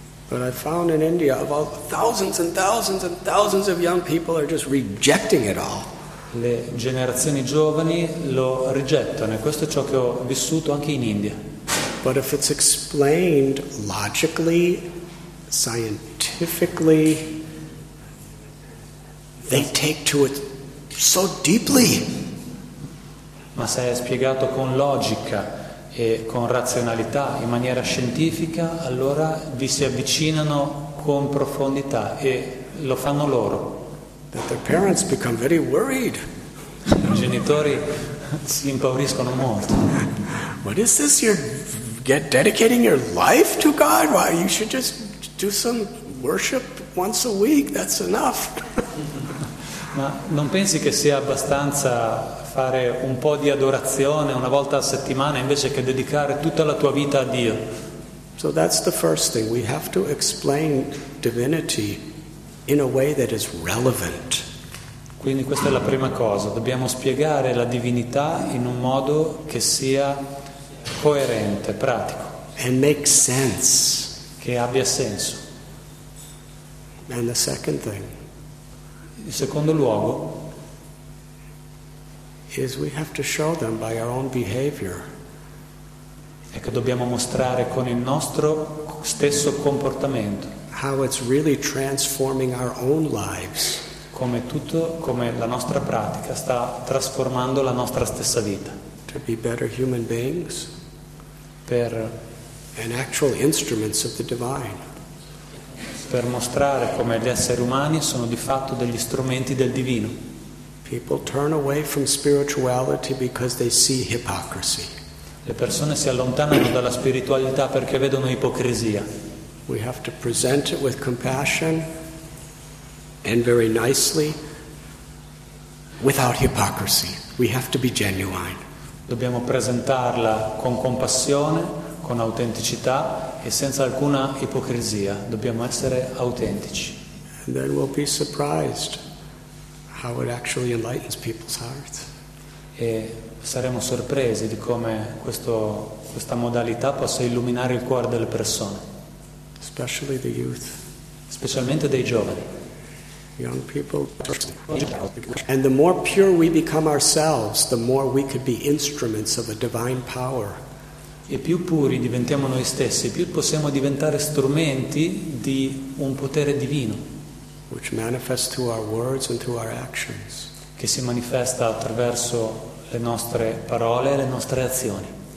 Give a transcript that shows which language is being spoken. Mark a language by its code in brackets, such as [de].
[en] but I found in India about thousands and thousands and thousands of young people are just rejecting it all. [it] Le generazioni giovani lo rigettano, e questo è ciò che ho vissuto anche in India. [en] But if it's explained logically, scientifically, they take to it so deeply. [it] ma se è spiegato con logica e con razionalità, in maniera scientifica, allora vi si avvicinano con profondità e lo fanno loro. [en] That the parents become very worried. [it] I genitori si impauriscono molto. [en] What is this? You're dedicating your life to God? Why, you should just do some worship once a week, that's enough. [it] Ma non pensi che sia abbastanza fare un po' di adorazione una volta a settimana invece che dedicare tutta la tua vita a Dio? [en] So that's the first thing. We have to explain divinity in a way that is relevant. [it] Quindi questa è la prima cosa. Dobbiamo spiegare la divinità in un modo che sia coerente, pratico. [en] And make sense. [it] Che abbia senso. [en] And the second thing. [it] Il secondo luogo. [en] Is we have to show them by our own behavior. [it] È che dobbiamo mostrare con il nostro stesso comportamento. [en] How it's really transforming our own lives. [it] Come tutto, come la nostra pratica sta trasformando la nostra stessa vita. [en] To be better human beings. [it] Per [en] and actual instruments of the divine. [it] Per mostrare come gli esseri umani sono di fatto degli strumenti del divino. [en] People turn away from spirituality because they see hypocrisy. [it] Le persone si allontanano dalla spiritualità perché vedono ipocrisia. [en] We have to present it with compassion and very nicely without hypocrisy. We have to be genuine. [it] Dobbiamo presentarla con compassione, con autenticità e senza alcuna ipocrisia. Dobbiamo essere autentici. [en] And then we'll be surprised how it actually enlightens people's hearts. [it] E saremo sorpresi di come questa modalità possa illuminare il cuore delle persone. [en] Especially the youth. [it] Specialmente dei giovani. [en] Young people. And the more pure we become ourselves, the more we could be instruments of a divine power. [it] E più puri diventiamo noi stessi, più possiamo diventare strumenti di un potere divino. [en] Which manifests through our words and through our actions. [it] Che si manifesta attraverso le nostre parole e le nostre azioni.